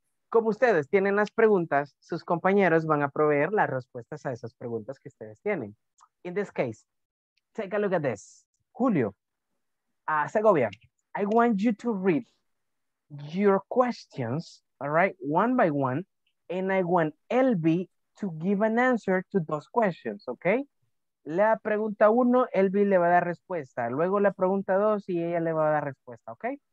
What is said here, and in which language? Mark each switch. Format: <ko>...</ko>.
<es>Como ustedes tienen las preguntas, sus compañeros van a proveer las respuestas a esas preguntas que ustedes tienen.</es> <en>In this case, take a look at this. Julio, Segovia, I want you to read your questions, all right, one by one, and I want Elvi to give an answer to those questions, okay?</en> <es>La pregunta uno, Elvi le va a dar respuesta. Luego la pregunta dos y ella le va a dar respuesta, ¿ok?</es>